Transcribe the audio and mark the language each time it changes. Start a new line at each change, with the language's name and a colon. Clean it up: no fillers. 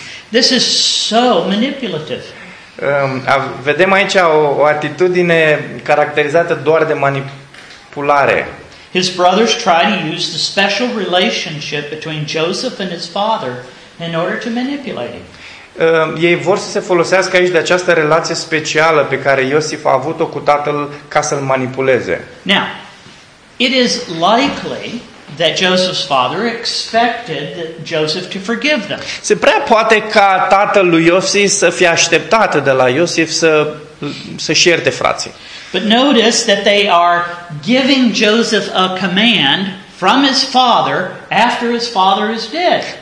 English: This is so manipulative.
Romanian: Vedem aici o atitudine caracterizată doar de manipulare.
English: His brothers try to use the special relationship between Joseph and his father in order to manipulate him.
Romanian: Ei vor să se folosească aici de această relație specială pe care Iosif a avut-o cu tatăl ca să-l manipuleze.
English: Now, it is likely that Joseph's father expected Joseph to forgive them.
Romanian: Se prea poate ca tatăl lui Iosif să fie așteptat de la Iosif să-și ierte frații.
English: But notice that they are giving Joseph a command from his father after his father is dead.